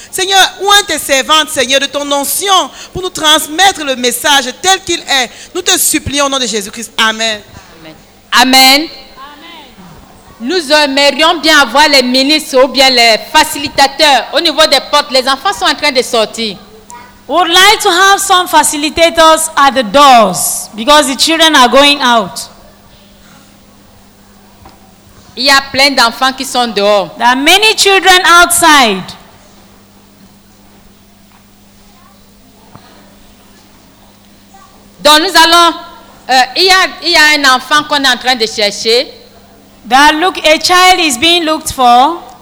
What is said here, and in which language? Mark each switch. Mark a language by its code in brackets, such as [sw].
[fr] Seigneur, oint tes servantes, Seigneur, de ton onction pour nous transmettre le message tel qu'il est. Nous te supplions au nom de Jésus-Christ. Amen. Amen. Amen. Nous aimerions bien avoir les ministres ou bien les facilitateurs au niveau des portes. Les enfants sont en train de sortir. [en] We would like to have some facilitators at the doors because the children are going out. [fr] Il y a plein d'enfants qui sont dehors. [en] There are many children outside. [fr] Donc nous allons, il y a un enfant qu'on est en train de chercher. [en] That look, a child is being looked for.